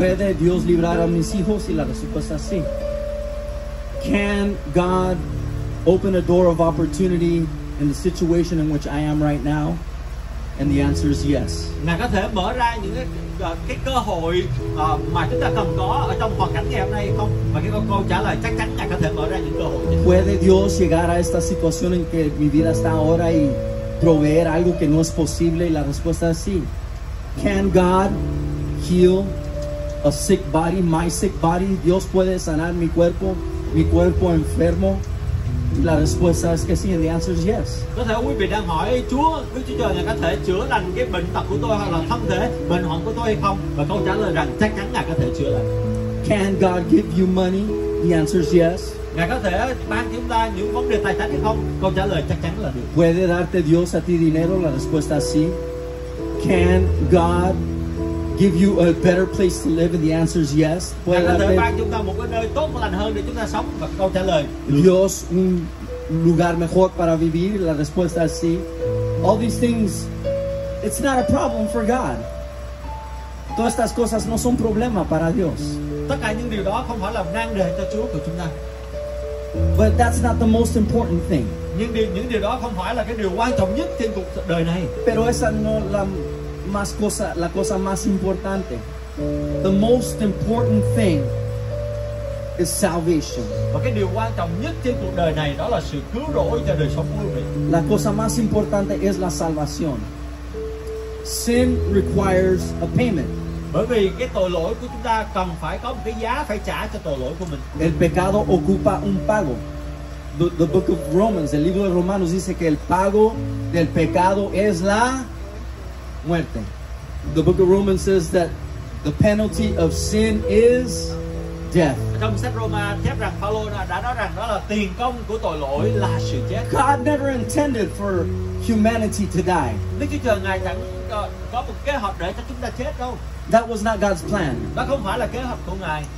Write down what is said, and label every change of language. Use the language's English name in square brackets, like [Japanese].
[Spanish] Puede Dios librar a mis hijos y la respuesta es sí. [English] Can God open a door of opportunity in the situation in which I am right now? And the answer is yes. [Vietnamese] Ngài có thể mở ra những cái cơ hội mà chúng ta cần có ở trong hoàn cảnh ngày hôm nay không? Và cái câu trả lời chắc chắn ngài có thể mở ra những cơ hội. [Spanish] Puede Dios llegar a esta situación en que mi vida está ahora y proveer algo que no es posible? Y la respuesta es sí. [English] Can God heal a sick body, my sick body? [Spanish] Dios puede sanar mi cuerpo enfermo. La respuesta es que sí, [English] and the answer is yes. [Vietnamese] Có thể quý vị đang hỏi Chúa, Đức Chúa Trời ngài có thể chữa lành cái bệnh tật của tôi hoặc là thân thể bệnh hoạn của tôi hay không? Và câu trả lời rằng chắc chắn ngài có thể chữa lành. [English] Can God give you money? The answer is yes. [Vietnamese] Ngài có thể ban chúng ta những vấn đề tài chính hay không? Câu trả lời chắc chắn là được. [Spanish] Puede darte Dios a ti dinero? La respuesta es sí. [English] Can God give you a better place to live? And the answer is yes. [Spanish] Puede darte [Vietnamese] chúng ta một cái nơi tốt lành hơn để chúng ta sống? Và câu trả lời [Spanish] Dios un lugar mejor para vivir? La respuesta es sí. [English] All these things, it's not a problem for God. [Spanish] Todas estas cosas no son problema para Dios. [Vietnamese] Tất cả những điều đó không phải là nan đề cho Chúa của chúng ta. [English] But that's not the most important thing. [Vietnamese] Những điều đó không phải là cái điều quan trọng nhất trên cuộc đời này. [Spanish] Pero esa no la más cosa, la cosa más importante. [English] The most important thing is salvation. [Vietnamese] Và cái điều quan trọng nhất trên cuộc đời này đó là sự cứu rỗi cho đời sống của mình. [Spanish] La cosa más importante es la salvación. [English] Sin requires a payment. [Vietnamese] Bởi vì cái tội lỗi của chúng ta cần phải có một cái giá phải trả cho tội lỗi của mình. [Spanish] El pecado ocupa un pago. [English] The book of Romans, [Spanish] el libro de Romanos dice que el pago del pecado es la muerte. [English] The book of Romans says that the penalty of sin is death. [Vietnamese] Trong sách Roma chép rằng Paulo đã nói rằng đó là tiền công của tội lỗi là sự chết. [English] God never intended for humanity to die. [Vietnamese] Đức Chúa Trời ngài chẳng có một kế hoạch để cho chúng ta chết đâu. [English] That was not God's plan. [Vietnamese] Đó không phải là kế hoạch của ngài.